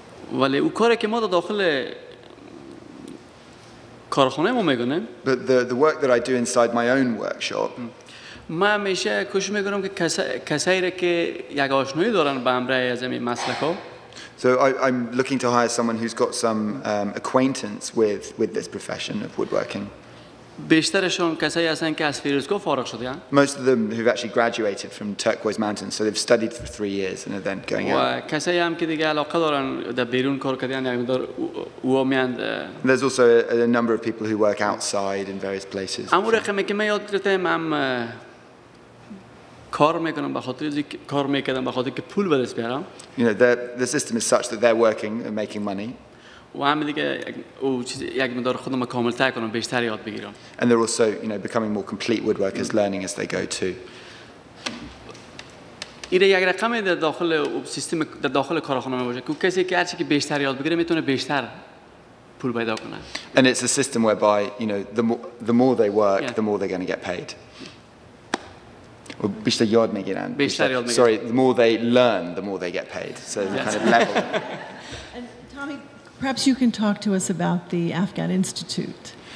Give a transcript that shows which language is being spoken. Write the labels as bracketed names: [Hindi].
[English] But the work that I do inside my own workshop, so I'm looking to hire someone who's got some acquaintance with this profession of woodworking. [Persian] بیشترشون کسایی هستن که از فیروزکوه فارغ شدن. [English] Most of them who've actually graduated from Turquoise Mountain, so they've studied for 3 years and are then going out. [Persian] کسایی هم که دیگه علاقه دارن در بیرون کار کردن یعنی در اومیان. [English] There's also a number of people who work outside in various places. [Persian] اما رقمی که من یاد گرفتم هم کار میکنم بخاطر اینکه کار میکنم بخاطر اینکه پول بدست بیارم. [English] You know, the system is such that they're working and making money. [Persian] و همین دیگه او چیز یک مقدار خودم کامل تر کنم بیشتر یاد بگیرم. [English] And they're also, you know, becoming more complete woodworkers, learning as they go too. [Persian] ایده یک رقمی در داخل سیستم در داخل کارخانه می باشه که کسی که هر چی که بیشتر یاد بگیره میتونه بیشتر پول پیدا کنه. [English] And it's a system whereby, you know, the more they work, the more they're going to get paid. [Persian] بیشتر یاد میگیرن. بیشتر یاد میگیرن. [English] Sorry, the more they learn, the more they get paid. So the kind of level. Perhaps you can talk to us about the Afghan Institute.